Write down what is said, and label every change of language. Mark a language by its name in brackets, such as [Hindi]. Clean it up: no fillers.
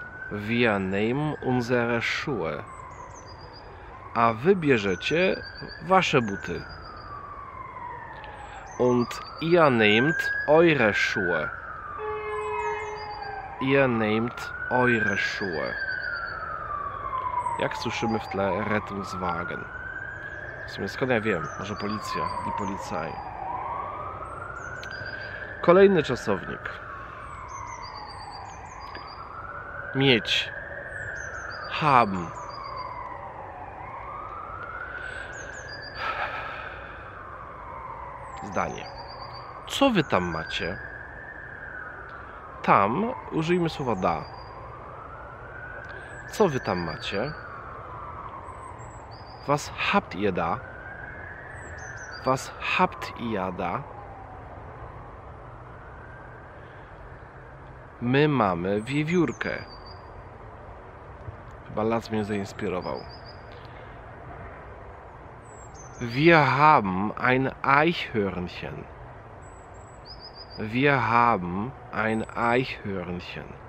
[German] Wir nehmen unsere Schuhe. [Polish] A wy bierzecie wasze buty. [German] Und ihr nehmt eure Schuhe. Ihr nehmt eure Schuhe. [Polish] Jak słyszymy w tle [German] Rettungswagen. [Polish] W sumie skąd ja wiem, może policja i policaj. Kolejny czasownik. Mieć. [German] Haben. [Polish] Zdanie. Co wy tam macie? Tam użyjmy słowa da. Co wy tam macie? [German] Was habt ihr da? Was habt ihr da? [Polish] My mamy wiewiórkę. Chyba las mnie zainspirował. [German] Wir haben ein Eichhörnchen. Wir haben ein Eichhörnchen.